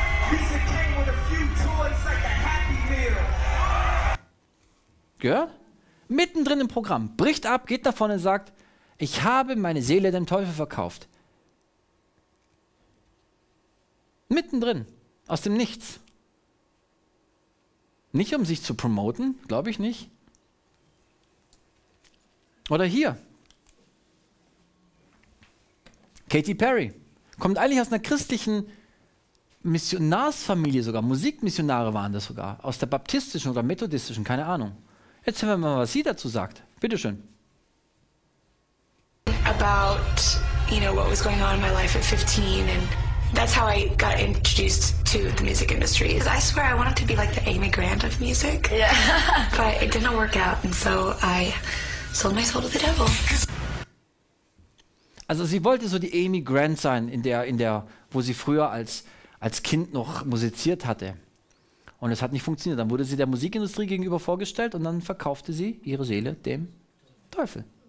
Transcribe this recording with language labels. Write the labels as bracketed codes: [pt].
[en] Lisa came with a few toys like a Happy Meal. [de] Gehört? Mittendrin im Programm. Bricht ab, geht nach vorne und sagt, ich habe meine Seele dem Teufel verkauft. Mittendrin. Aus dem Nichts. Nicht um sich zu promoten, glaube ich nicht. Oder hier. Katy Perry. Kommt eigentlich aus einer christlichen Missionarsfamilie sogar. Musikmissionare waren das sogar. Aus der baptistischen oder methodistischen, keine Ahnung. Jetzt hören wir mal, was sie dazu sagt. Bitteschön. [en] About, you know, what was going on in my life at 15 and that's how I got introduced to the music industry. I swear I wanted to be like the Amy Grant of music. Yeah. But it didn't work out and so I sold my soul to the devil. [de] Also sie wollte so die Amy Grant sein, in der wo sie früher als Kind noch musiziert hatte. Und es hat nicht funktioniert. Dann wurde sie der Musikindustrie gegenüber vorgestellt und dann verkaufte sie ihre Seele dem Teufel.